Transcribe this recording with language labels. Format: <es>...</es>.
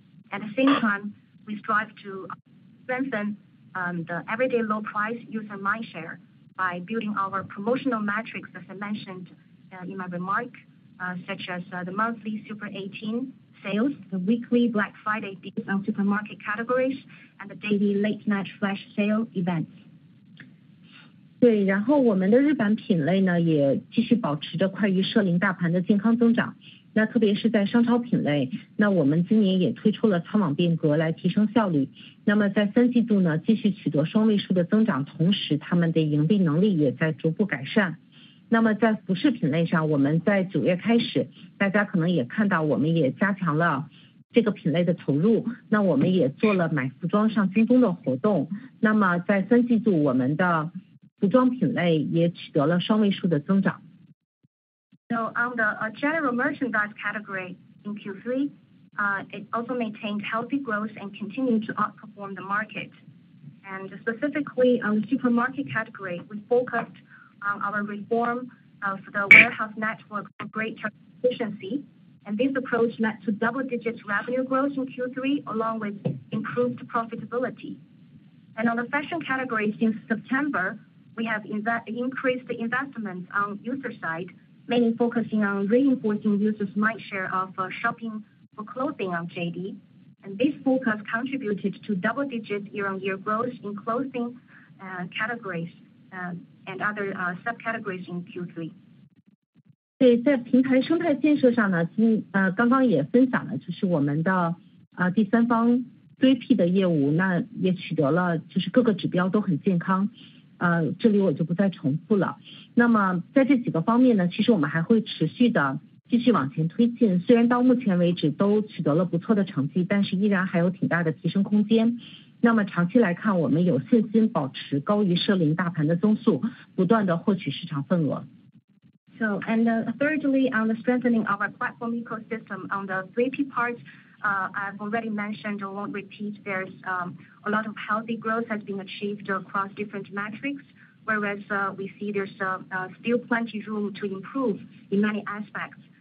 <en>At the same time, we strive to strengthen the everyday low price user mindshare. By building our promotional metrics, as I mentioned in my remark, such as the monthly Super 18 sales, the weekly Black Friday deals on supermarket categories, and the daily late night flash sale events.</en> <zh>对，然后我们的日版品类呢，也继续保持着快于社零大盘的健康增长。那特别是在商超品类，那我们今年也推出了仓网变革来提升效率。那么在三季度呢，继续取得双位数的增长，同时他们的盈利能力也在逐步改善。那么在服饰品类上，我们在九月开始，大家可能也看到，我们也加强了这个品类的投入。那我们也做了买服装上京东的活动。那么在三季度，我们的服装品类也取得了双位数的增长。</zh> <en>So on the general merchandise category in Q3, it also maintained healthy growth and continued to outperform the market. And specifically on the supermarket category, we focused on our reform of the warehouse network for greater efficiency. And this approach led to double-digit revenue growth in Q3 along with improved profitability. And on the fashion category since September, we have increased the investments on user side,mainly focusing on reinforcing users' mindshare of shopping for clothing on JD. And this focus contributed to double-digit year-on-year growth in clothing categories and other subcategories in Q3.</en> <zh>对，在平台生态建设上呢，刚刚也分享了，就是我们的第三方 3P 的业务，那也取得了就是各个指标都很健康。这里我就不再重复了。那么在这几个方面呢，其实我们还会持续的继续往前推进。虽然到目前为止都取得了不错的成绩，但是依然还有挺大的提升空间。那么长期来看，我们有信心保持高于社零大盘的增速，不断的获取市场份额。</zh> <en>So, and thirdly, on the strengthening of our platform ecosystem on the 3P part, I've already mentioned, I won't repeat, there's a lot of healthy growth has been achieved across different metrics, whereas we see there's still plenty room to improve in many aspects.</en>